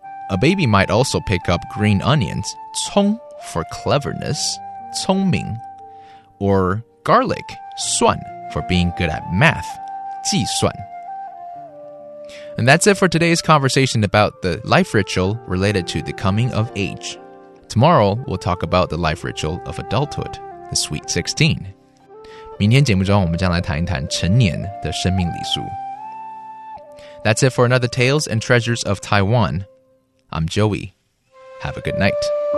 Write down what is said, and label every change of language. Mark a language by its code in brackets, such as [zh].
[en] A baby might also pick up green onions, 葱 for cleverness, 聪明, or garlic, 蒜 for being good at math, 计算. And that's it for today's conversation about the life ritual related to the coming of age. Tomorrow, we'll talk about the life ritual of adulthood, the Sweet 16. [zh] 明天节目中我们将来谈一谈成年的生命礼数。 [en] That's it for another Tales and Treasures of Taiwan. I'm Joey. Have a good night.